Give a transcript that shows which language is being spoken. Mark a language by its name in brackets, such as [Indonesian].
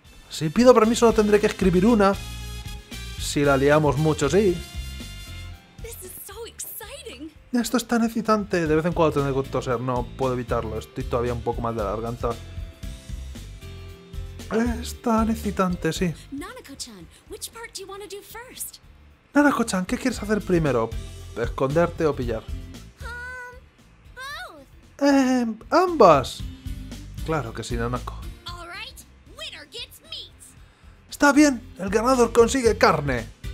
[Spanish] Si pido permiso, no tendré que escribir una. Si la liamos mucho, sí. Esto es tan excitante. De vez en cuando tengo que toser, no puedo evitarlo. Estoy todavía un poco mal de la garganta. Es tan excitante, sí. [English] Nanako-chan, which part do you want to do first? [Spanish] Nanako-chan, ¿qué quieres hacer primero? ¿Esconderte o pillar? [English] Both. [Spanish] Ambas. Claro que sí, Nanako. [English] All right. Winner gets meat. [Spanish] Está bien, el ganador consigue carne.